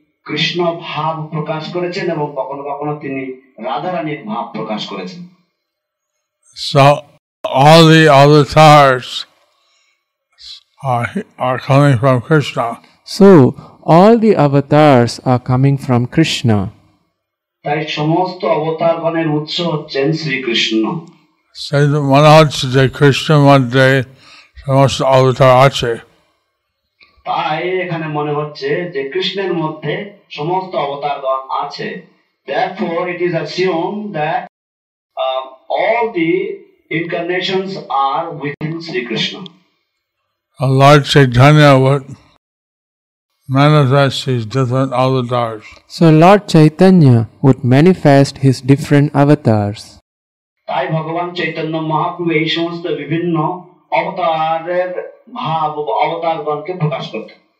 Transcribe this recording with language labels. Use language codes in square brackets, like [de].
[bn] কৃষ্ণ ভাব প্রকাশ করেছেন এবং কখনো কখনো তিনি রাধারানীর ভাব প্রকাশ করেছেন। [en] So all the avatars are coming from Krishna. So all the avatars are coming from Krishna. [bn] তাই সমস্ত অবতারগণের উৎস হচ্ছেন Shrikrishna. [en] So the one who is Krishna one day, [bn] সমস্ত অবতার আছে। তাই এখানে মনে হচ্ছে যে কৃষ্ণের মধ্যে সমস্ত অবতারগণ আছে। [en] Therefore, it is assumed that all the incarnations are within Sri Krishna. Lord Chaitanya would manifest his different avatars. So Lord Chaitanya would manifest his different avatars. [bn] তাই ভগবান চৈতন্য মহাপ্রভু এই সমস্ত বিভিন্ন অবতারের ভাব অবতারগণকে প্রকাশ করত।